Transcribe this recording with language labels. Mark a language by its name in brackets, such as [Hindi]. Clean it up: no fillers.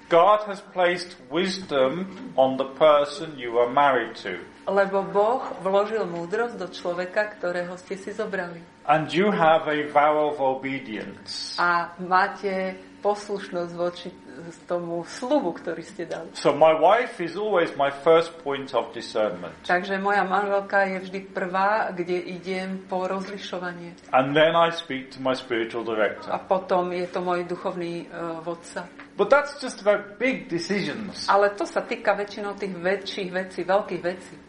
[English] God has placed wisdom on the person you are married to. [Slovak] Lebo Boh vložil múdrosť do človeka, ktorého ste si zobrali. [English] And you have a vow of obedience. [Slovak] A máte poslušnosť voči tomu sľubu, ktorý ste dali. [English] So my wife is always my first point of discernment. [Slovak] Takže moja manželka je vždy prvá, kde idem po rozlišovanie. [English] And then I speak to my spiritual director. [Slovak] A potom je to môj duchovný vodca. [English] But that's just about big decisions. [Slovak] Ale to sa týka väčšinou tých väčších vecí, veľkých vecí.